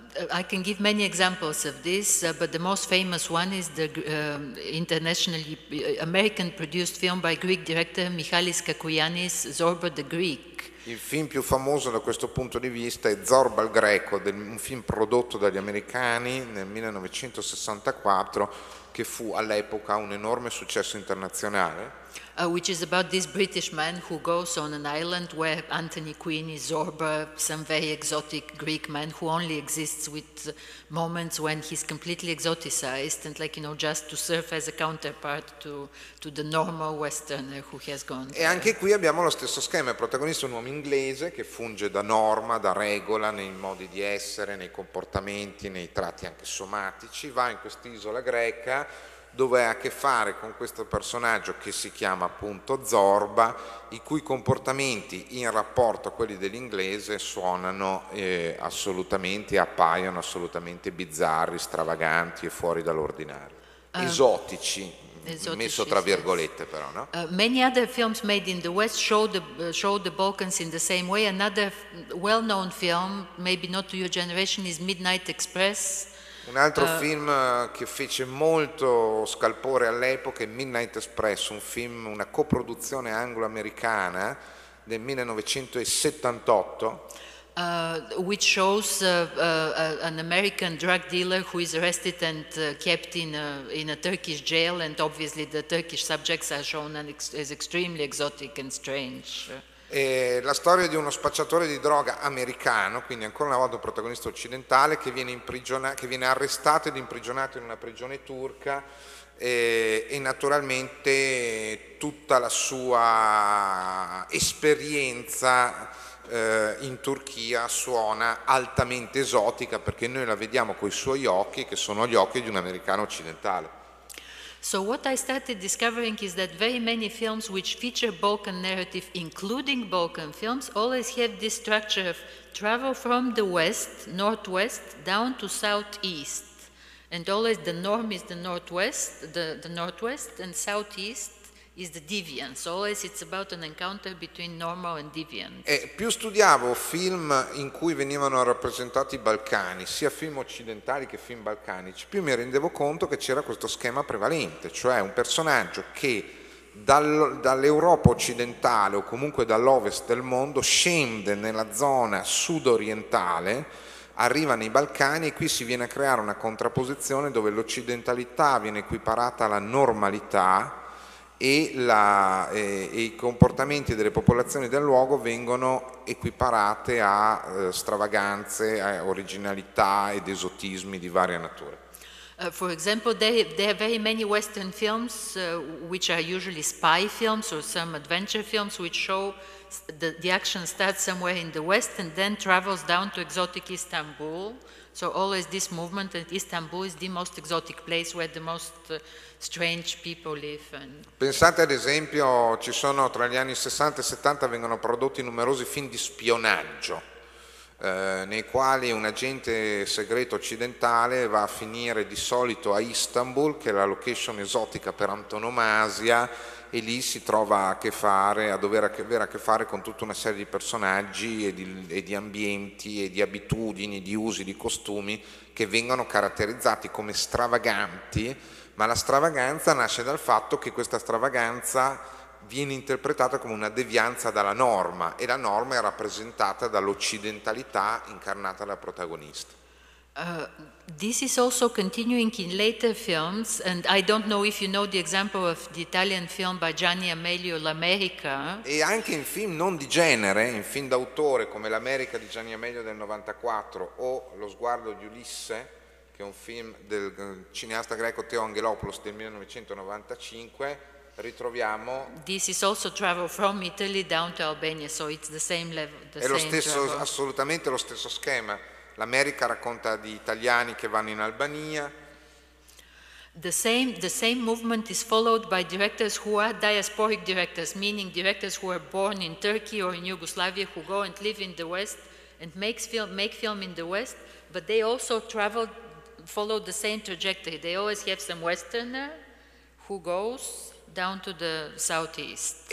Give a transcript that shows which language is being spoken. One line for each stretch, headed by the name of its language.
English: I can give many examples of this, but the most famous one is the internationally American produced film by Greek director Michalis Kakouyanis, Zorba the Greek.
Italian: Il film più famoso da questo punto di vista è Zorba il Greco, un film prodotto dagli americani nel 1964, che fu all'epoca un enorme successo internazionale.
English: Which is about this British man who goes on an island where Anthony Quinn is Zorba, some very exotic Greek man who only exists with moments when he's completely exoticized and like, you know, just to serve as a counterpart to the normal Westerner who has gone there.
Italian: E anche qui abbiamo lo stesso schema, il protagonista è un uomo inglese che funge da norma, da regola, nei modi di essere, nei comportamenti, nei tratti anche somatici, va in quest'isola greca dove ha a che fare con questo personaggio che si chiama appunto Zorba, i cui comportamenti in rapporto a quelli dell'inglese suonano assolutamente, appaiono assolutamente bizzarri, stravaganti e fuori dall'ordinario. Esotici, messo tra virgolette però, no?
English: Many other films made in the West show the Balkans in the same way. Another well-known film, maybe not to your generation, is Midnight Express.
Italian: Un altro film che fece molto scalpore all'epoca è Midnight Express, un film, una coproduzione anglo-americana del 1978.
English: Which shows an American drug dealer who is arrested and kept in a Turkish jail, and obviously the Turkish subjects are shown as extremely exotic and strange.
Italian: E la storia di uno spacciatore di droga americano, quindi ancora una volta un protagonista occidentale, che viene arrestato ed imprigionato in una prigione turca, e naturalmente tutta la sua esperienza in Turchia suona altamente esotica, perché noi la vediamo coi suoi occhi, che sono gli occhi di un americano occidentale.
English: So what I started discovering is that very many films which feature Balkan narrative, including Balkan films, always have this structure of travel from the west, northwest, down to southeast, And always the norm is the northwest, the northwest and southeast is the deviance. Always it's about an encounter between normal and deviant.
Italian: E più studiavo film in cui venivano rappresentati i Balcani, sia film occidentali che film balcanici, più mi rendevo conto che c'era questo schema prevalente, cioè un personaggio che dall'Europa occidentale o comunque dall'ovest del mondo scende nella zona sud-orientale, arriva nei Balcani e qui si viene a creare una contrapposizione dove l'occidentalità viene equiparata alla normalità e i comportamenti delle popolazioni del luogo vengono equiparate a stravaganze, a originalità ed esotismi di varia natura.
English: For example, there are very many Western films which are usually spy films or some adventure films which show the action starts somewhere in the West and then travels down to exotic Istanbul. So always this movement that Istanbul is the most exotic place where the most strange people live. And
Italian: pensate ad esempio, ci sono tra gli anni 60 e 70 vengono prodotti numerosi film di spionaggio, nei quali un agente segreto occidentale va a finire di solito a Istanbul, che è la location esotica per antonomasia, e lì si trova a dover avere a che fare con tutta una serie di personaggi e di ambienti e di abitudini, di usi, di costumi che vengono caratterizzati come stravaganti, ma la stravaganza nasce dal fatto che questa stravaganza viene interpretata come una devianza dalla norma, e la norma è rappresentata dall'occidentalità incarnata dal protagonista.
English: This is also continuing in later films, and I don't know if you know the example of the Italian film by Gianni Amelio, L'America.
Italian: E anche in film non di genere, in film d'autore come L'America di Gianni Amelio del 94 o Lo sguardo di Ulisse, che è un film del cineasta greco Teo Angelopoulos del 1995, ritroviamo.
English: This is also travel from Italy down to Albania, so it's the same level.
Italian: È lo stesso, assolutamente lo stesso schema. L'America racconta di italiani che vanno in Albania.
English: The same movement is followed by directors who are diasporic directors, meaning directors who are born in Turkey or in Yugoslavia, who go and live in the West and make film in the West, but they also travel, follow the same trajectory. They always have some Westerner who goes down to the southeast.